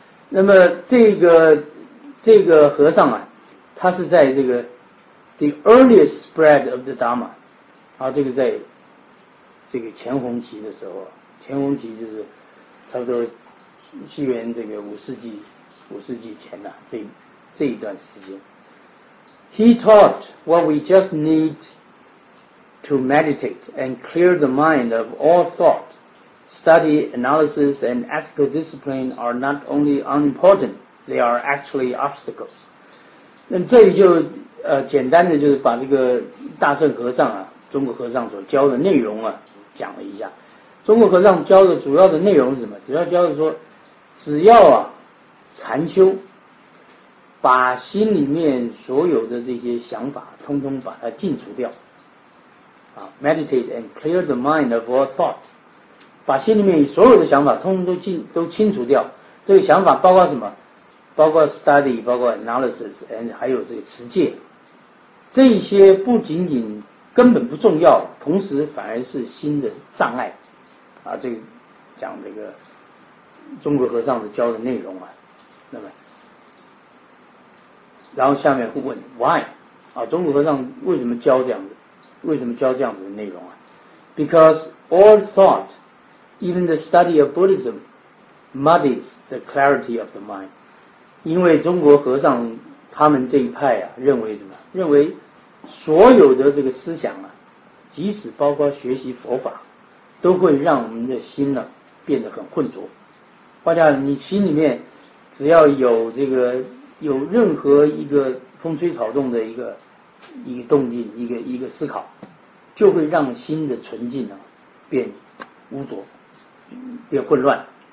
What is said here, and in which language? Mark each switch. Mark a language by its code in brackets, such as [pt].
[zh] 那么这个和尚啊，他是在这个 [en] the earliest spread of the Dharma， [zh] 啊，这个在这个乾隆期的时候，乾隆期就是差不多西元这个五世纪前的、啊、这一段时间。 [en] He taught what we just need to meditate and clear the mind of all thought. Study, analysis, and ethical discipline are not only unimportant, they are actually obstacles. [zh] 那这里就简单的就是把这个大乘和尚啊，中国和尚所教的内容啊。讲了一下，中国和尚教的主要的内容是什么？主要教的说，只要啊禅修，把心里面所有的这些想法通通把它净除掉，啊 ， [en] meditate and clear the mind of all thought， [zh] 把心里面所有的想法通通都清除掉。这个想法包括什么？包括 study， 包括 analysis， and 还有这个持戒，这些不仅仅。根本不重要，同时反而是心的障碍啊！这个讲这个中国和尚的教的内容啊，那么然后下面会问 why 啊，中土和尚为什么教这样子，为什么教这样子的内容啊？ [en] Because all thought, even the study of Buddhism, muddies the clarity of the mind. [zh] 因为中国和尚他们这一派啊，认为什么？认为所有的这个思想啊，即使包括学习佛法，都会让我们的心呢、啊、变得很混浊。换句话讲，你心里面只要有这个有任何一个风吹草动的一个动静，一个思考，就会让心的纯净呢、啊、变污浊，变混乱。